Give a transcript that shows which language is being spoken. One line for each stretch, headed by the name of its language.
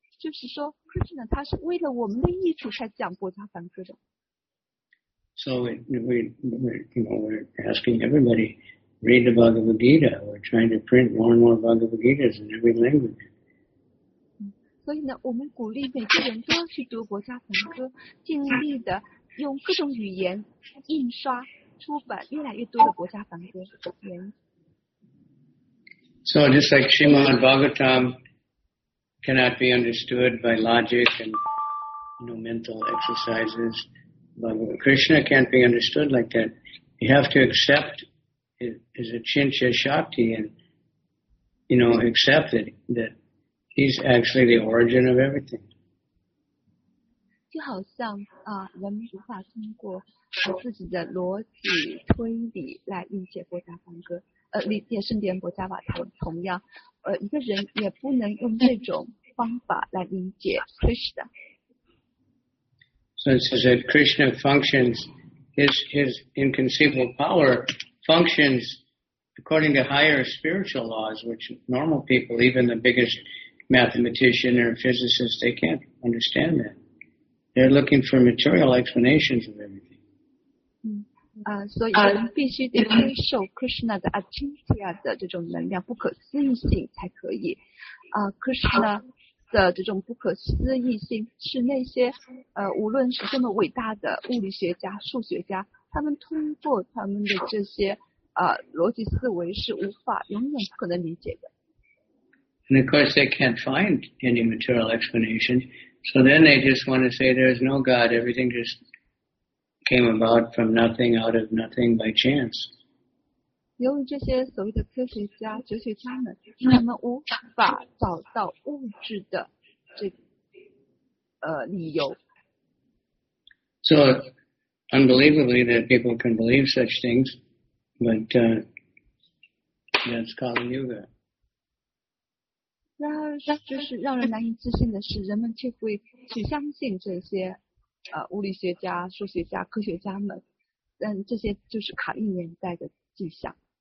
Chinese: 就是说 ，Krishna 他是为了我们的益处才讲《博伽梵歌》的。
English: So we're asking everybody read the Bhagavad Gita. We're trying to print more and more Bhagavad Gitas in every language.
Chinese: 所以呢，我们鼓励每个人都要去读《博伽梵歌》，尽力的用各种语言印刷出版越来越多的《博伽梵歌》原
English: 因。So just like Srimad Bhagavatam cannot be understood by logic and you know, mental exercises. Bhagavad Krishna can't be understood like that. You have to accept his achincha shakti and, you know, accept it, that he's actually the origin of everything.
Chinese: 就好像人无法通过自己的逻辑推理来理解博伽梵歌，理解圣典博伽瓦同样，一个人也不能用这种方法来理解 Krishna。
English: So it says that Krishna functions, his inconceivable power functions according to higher spiritual laws, which normal people, even the biggest mathematician or physicist, they can't understand that. They're looking for material explanations of everything. So you have to be able to show Krishna's achintya, the
Chinese: 这种能量不可思议性才可以。
English: Krishna...
Chinese: 的这种不可思议性是那些无论是这么伟大的物理学家数学家他们通过他们的这些逻辑思维是无法永远不可能理解的。
English: And of course they can't find any material explanation, so then they just want to say there's no God, everything just came about from nothing, out of nothing, by chance.
Chinese: 由于这些所谓的科学家、哲学家们，他们无法找到物质的这理由。
English: So unbelievably that people can believe such things, but that's Kali Yuga.
Chinese: 然而，就是让人难以置信的是，人们却会去相信这些物理学家、数学家、科学家们，但这些就是卡利年代的迹象。